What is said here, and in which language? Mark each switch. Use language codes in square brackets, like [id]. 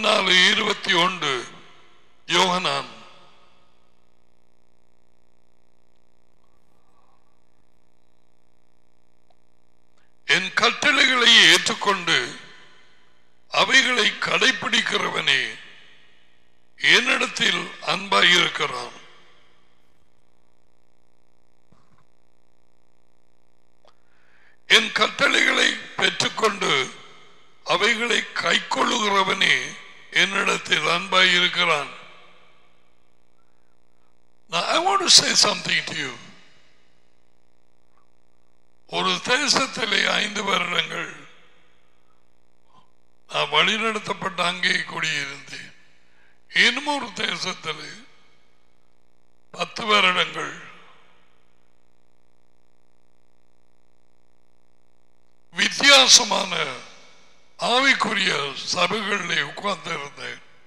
[ta] 14:21 யோகனான் என் கட்டளைகளை ஏற்றுக்கொண்டு அவைகளை கடைபிடிக்கிறவனே என்னிடத்தில் அன்பாயிருக்கிறான். என் கட்டளைகளை பெற்றுக்கொண்டு அவைகளை கை கொள்ளுகிறவனே என்னிடத்தில் அன்பாயிருக்கிறான். [en] Now I want to say something to you. [ta] ஒரு தேசத்திலே 5 வருடங்கள் நான் வழிநடத்தப்பட்டு அங்கே கூடியிருந்தேன். இன்னொரு தேசத்தில் 10 வருடங்கள் வித்தியாசமான ஆவிக்குரிய சபைகளில் உட்கார்ந்து இருந்தேன்.